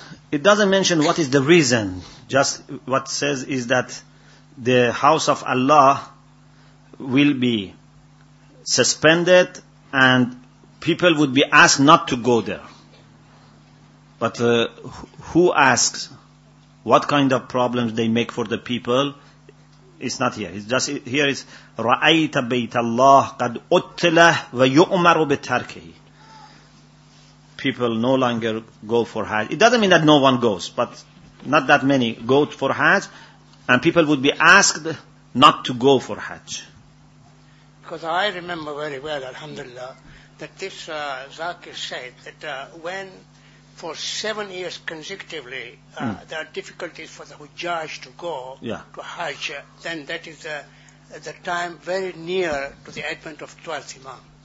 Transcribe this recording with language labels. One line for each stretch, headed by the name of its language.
English: It doesn't mention what is the reason. Just what says is that the house of Allah will be suspended and people would be asked not to go there. But who asks what kind of problems they make for the people? It's not here. It's just here is
Arabic: رَأَيْتَ بَيْتَ اللَّهِ قَدْ أُتْلَهُ وَيُؤْمَرُ بِتَرْكِهِ.
English: People no longer go for Hajj. It doesn't mean that no one goes, but not that many go for Hajj, and people would be asked not to go for Hajj. Because I remember very well, alhamdulillah, that this Zakir said that when for 7 years consecutively there are difficulties for the Hujjaj to go to Hajj, then that is the time very near to the advent of 12th Imam.